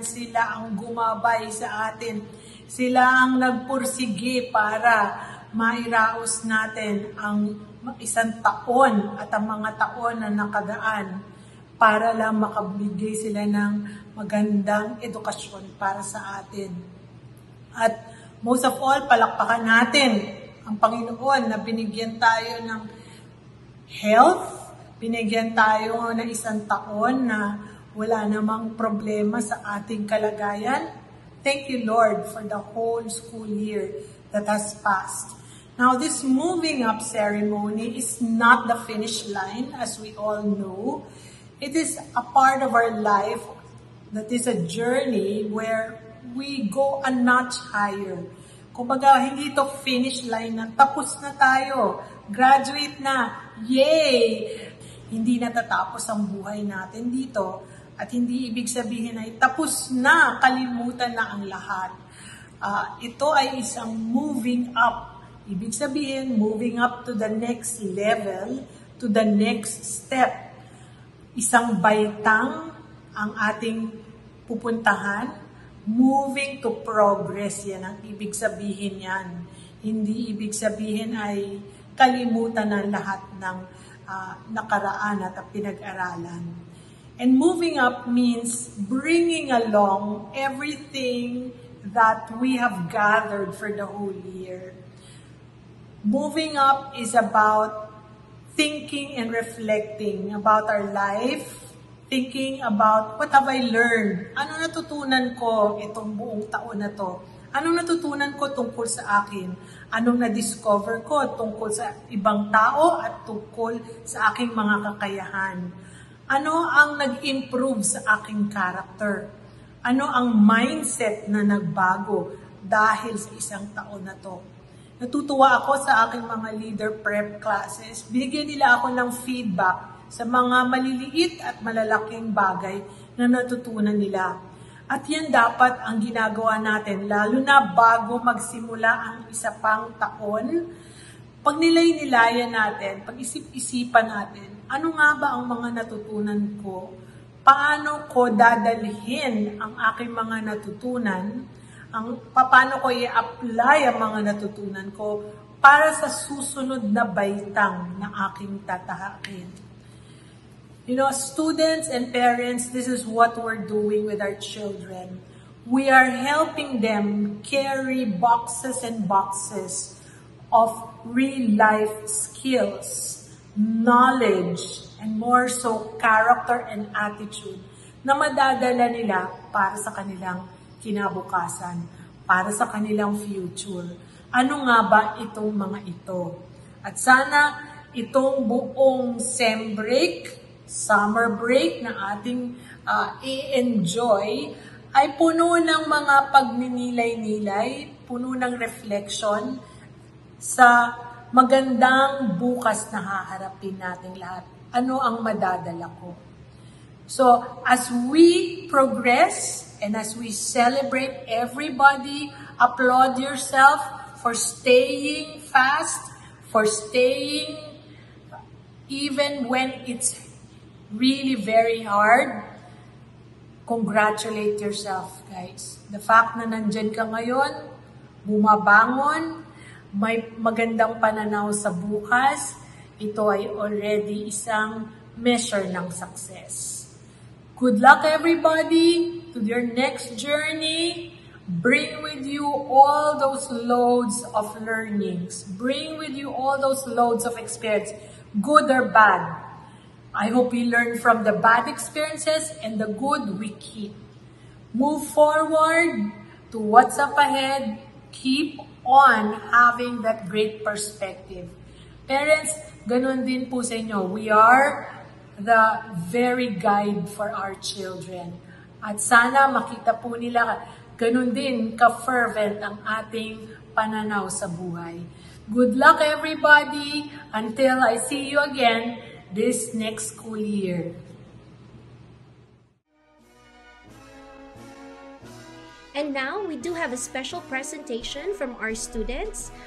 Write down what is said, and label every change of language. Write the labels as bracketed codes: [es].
[tl] Sila ang gumabay sa atin. Sila ang nagpursige para mairaos natin ang isang taon at ang mga taon na nakadaan para lang makabigay sila ng magandang edukasyon para sa atin. [en] At most of all, [tl] palakpakan natin ang Panginoon na binigyan tayo ng health, binigyan tayo ng isang taon na wala namang problema sa ating kalagayan. [en] Thank you, Lord, for the whole school year that has passed. Now, this moving up ceremony is not the finish line, as we all know. It is a part of our life that is a journey where we go a notch higher. [tl] Kumbaga, hindi ito finish line na tapos na tayo, graduate na, yay! Hindi natatapos ang buhay natin dito. At hindi ibig sabihin na tapos na, kalimutan na ang lahat. Ito ay isang moving up. Ibig sabihin, [en] moving up to the next level, to the next step. [tl] Isang baitang ang ating pupuntahan. [en] Moving to progress, [tl] yan ang ibig sabihin yan. Hindi ibig sabihin ay kalimutan ang lahat ng nakaraan at pinag-aralan. [en] And moving up means bringing along everything that we have gathered for the whole year. Moving up is about thinking and reflecting about our life, thinking about what have I learned? [tl] Ano natutunan ko itong buong taon na to? Ano natutunan ko tungkol sa akin? Anong na-discover ko tungkol sa ibang tao at tungkol sa aking mga kakayahan? Ano ang nag-improve sa aking character? Ano ang mindset na nagbago dahil sa isang taon na to? Natutuwa ako sa aking mga leader prep classes. Binigyan nila ako ng feedback sa mga maliliit at malalaking bagay na natutunan nila. At yan dapat ang ginagawa natin, lalo na bago magsimula ang isa pang taon. Pag nilay-nilayan natin, pag isip-isipan natin, ano nga ba ang mga natutunan ko? Paano ko dadalhin ang aking mga natutunan? Paano ko i-apply ang mga natutunan ko para sa susunod na baitang na aking tatahakin? [en] You know, students and parents, this is what we're doing with our children. We are helping them carry boxes and boxes of real life skills, knowledge, and more so character and attitude [tl] na madadala nila para sa kanilang [en] kinabukasan, para sa kanilang future. [tl] Ano nga ba itong mga ito? At sana itong buong sem break, summer break na ating i-enjoy ay puno ng mga pagninilay-nilay, puno ng reflection sa magandang bukas na haharapin nating lahat. Ano ang madadala ko? [en] So, as we progress and as we celebrate, everybody, applaud yourself for staying fast, for staying even when it's really very hard. Congratulate yourself, guys. The fact [tl] na nandyan ka ngayon, bumabangon, may magandang pananaw sa bukas, ito ay already isang measure ng success. [en] Good luck, everybody, to your next journey. Bring with you all those loads of learnings. Bring with you all those loads of experience, good or bad. I hope you learn from the bad experiences and the good we keep. Move forward to what's up ahead. Keep on having that great perspective. [tl] Parents, ganun din po sa inyo. [en] We are the very guide for our children. [tl] At sana makita po nila ganun din ka-fervent ang ating pananaw sa buhay. [en] Good luck, everybody! Until I see you again this next school year. And now, we do have a special presentation from our students.